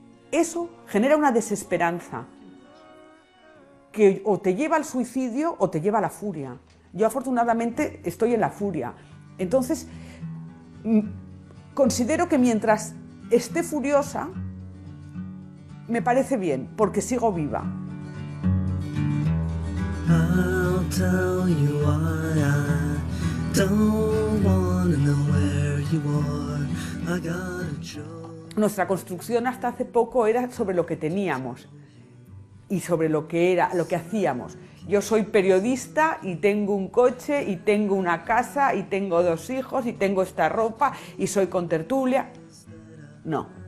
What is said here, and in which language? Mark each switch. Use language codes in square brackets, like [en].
[es] Eso genera una desesperanza que o te lleva al suicidio o te lleva a la furia. Yo afortunadamente estoy en la furia. Entonces, considero que mientras esté furiosa, me parece bien, porque sigo viva. [en] I'll tell you why I don't wanna know where you are. I got a choice. [es] Nuestra construcción hasta hace poco era sobre lo que teníamos y sobre lo que era, lo que hacíamos. Yo soy periodista y tengo un coche y tengo una casa y tengo dos hijos y tengo esta ropa y soy contertulia. No.